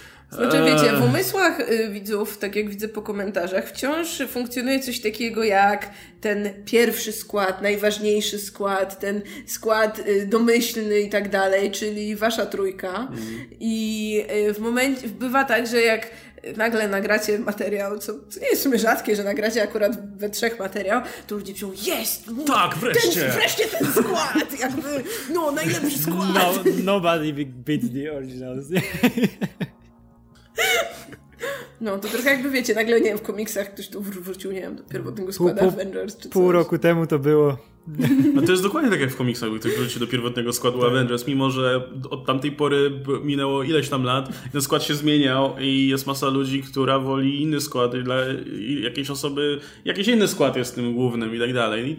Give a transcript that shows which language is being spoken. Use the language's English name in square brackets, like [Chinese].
[Polish] Znaczy, wiecie, w umysłach widzów, tak jak widzę po komentarzach, wciąż funkcjonuje coś takiego jak ten pierwszy skład, najważniejszy skład, ten skład domyślny i tak dalej, czyli wasza trójka. I w momencie, bywa tak, że jak nagle nagracie materiał, co nie jest w sumie rzadkie, że nagracie akurat we trzech materiał, to ludzie piszą, jest! Tak, wreszcie! Wreszcie ten skład! Jakby, no, najlepszy skład! No, [English] nobody beats the originals. [Polish] No, to trochę jakby, wiecie, nagle, nie wiem, w komiksach ktoś tu wrócił, nie wiem, do pierwotnego składu Avengers, czy coś. Pół roku temu to było. No to jest dokładnie tak jak w komiksach, gdy ktoś wrócił do pierwotnego składu Avengers, mimo że od tamtej pory minęło ileś tam lat, ten skład się zmieniał i jest masa ludzi, która woli inny skład i dla jakiejś osoby, jakiś inny skład jest tym głównym i tak dalej.